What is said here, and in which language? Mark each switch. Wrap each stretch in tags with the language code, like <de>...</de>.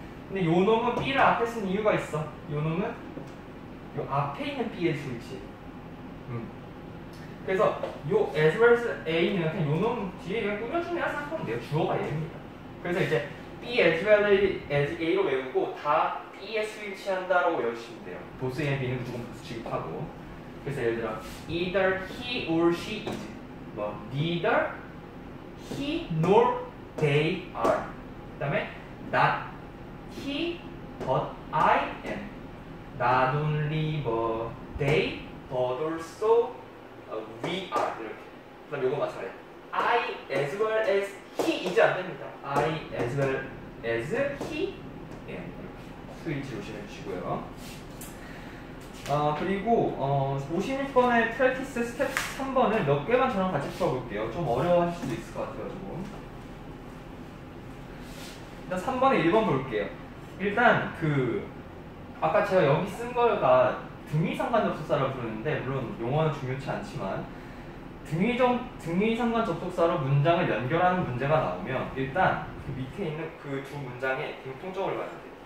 <ko>근데 요 놈은 B를 앞에 쓴 이유가 있어. 요 놈은 요 앞에 있는 B에 스위치해. 그래서 요 as well as A는 그냥 요 놈 뒤에 그냥 꾸며주면 해서 하면 돼요. 주어가 얘입니다. 그래서 이제 B as well as A로 외우고 다 B에 스위치한다라고 외우시면 돼요. 보스의 B는 무조건 보스 취급하고. 그래서 예를 들어</ko> <en>either he or she is. 뭐, neither he nor they are.</en> <ko>그 다음에</ko> <en>not he but I am. Not only but they but also we are.</en> <ko>이렇게. 그 다음에 요거 맞춰요.</ko> <en>I as well as he</en> <ko>이제 안 됩니다.</ko> <en>I as well as he.</en> <ko>예, 스위치 조심해 주시고요. 아, 그리고 51번의 practice step 3번을 몇 개만 저랑 같이 풀어볼게요. 좀 어려워하실 수도 있을 것 같아요, 조금. 일단 3번에 1번 볼게요. 일단 그 아까 제가 여기 쓴 거가 등위 상관접속사라고 부르는데, 물론 용어는 중요치 않지만 등위 상관접속사로 문장을 연결하는 문제가 나오면 일단 그 밑에 있는 그 두 문장의 공통점을 봐야 돼요.</ko>